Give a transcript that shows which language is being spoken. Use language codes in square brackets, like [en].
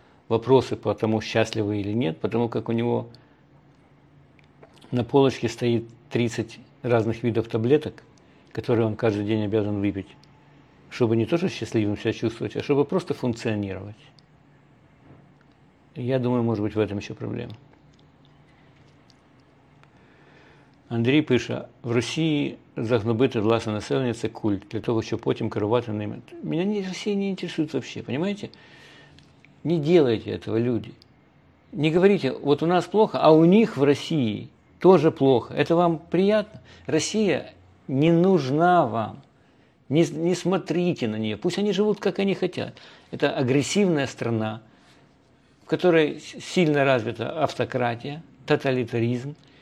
[ru] вопросы по тому, счастливы или нет, потому как у него на полочке стоит 30 разных видов таблеток, которые он каждый день обязан выпить, чтобы не то, что счастливым себя чувствовать, а чтобы просто функционировать. Я думаю, может быть, в этом еще проблема. [uk] Андрій пише, в Росії загнобити власне населення – це культ, для того, щоб потім керувати ними. Мене ні, Росія не інтересує взагалі, розумієте? [ru] Не делайте этого, люди. Не говорите, вот у нас плохо, а у них в Росії тоже плохо. Это вам приятно? Росія не нужна вам. Не смотрите на неї. Пусть они живут, как они хотят. Это агрессивная страна, в которой сильно развита автократия, тоталитаризм.